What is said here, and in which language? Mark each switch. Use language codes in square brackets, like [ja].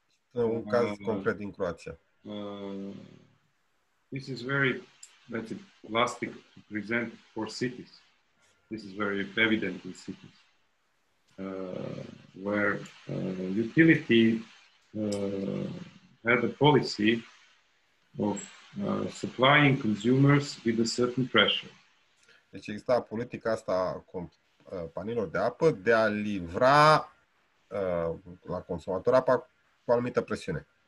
[ro] Un caz concret din Croația. [en] This is very, that's plastic to present for cities. This is very evident in cities. Where utility had a policy of supplying consumers with a certain pressure. [ro] Deci exista politica asta companiilor de apă de a livra la consumator apa cu anumită presiune.